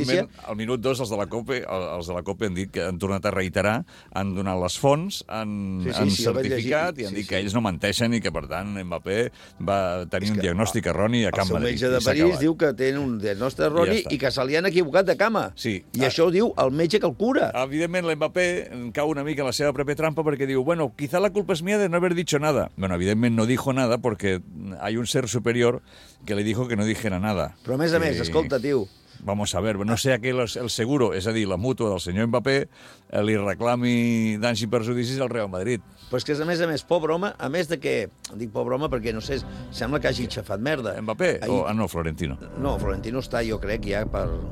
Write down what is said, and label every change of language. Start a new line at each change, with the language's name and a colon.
Catalan: I, evidentment, al minut dos, els de la COPE han dit que han tornat a reiterar, han donat les fonts, han certificat i han dit que ells no menteixen i que, per tant, Mbappé va tenir un diagnòstic erroni. Roni a Can Madrid. El metge de París diu que té un diagnòstic erroni i que se li han equivocat de cama. Sí. I això ho diu el metge que el cura. Evidentment, l'Mbappé cau una mica en la seva pròpia trampa perquè diu, bueno,
Spanish: quizá la culpa es mía de no haber dicho nada. Bueno,
Catalan: evidentment
Spanish: no dijo nada porque hay un ser superior que le dijo que no dijera nada.
Catalan: Però a més, escolta, tio...
Spanish: Vamos a ver,
Catalan: no sé a què el seguro, és a dir, la mútua del senyor Mbappé, li reclami danys i perjudicis al Real Madrid. Però és que, a més, pobre home, a més de que... Dic pobre home perquè, no sé, sembla que hagi xafat merda. Mbappé? Ahir... No, Florentino. No, Florentino està, jo crec, ja per...